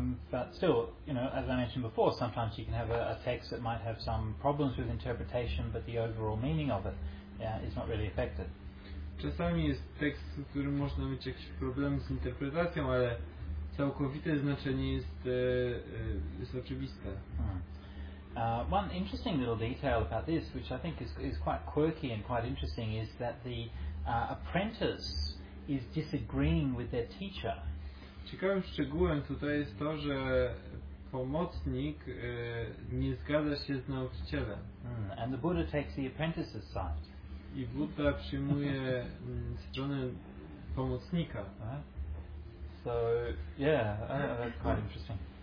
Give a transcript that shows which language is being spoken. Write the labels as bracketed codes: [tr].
[en] But still, you know, as I mentioned before, sometimes you can have a text that might have some problems with interpretation, but the overall meaning of it is not really affected. [pl] Czasami jest tekst, w którym można mieć jakieś problemy z interpretacją, ale całkowite znaczenie jest oczywiste. [en] One interesting little detail about this, which I think is quite quirky and quite interesting, is that the apprentice is disagreeing with their teacher. [pl] Ciekawym szczegółem tutaj jest to, że pomocnik nie zgadza się z nauczycielem. [en] And the Buddha takes the apprentice's side. [pl] I Buddha przyjmuje stronę pomocnika. [en] So, yeah, that's quite interesting.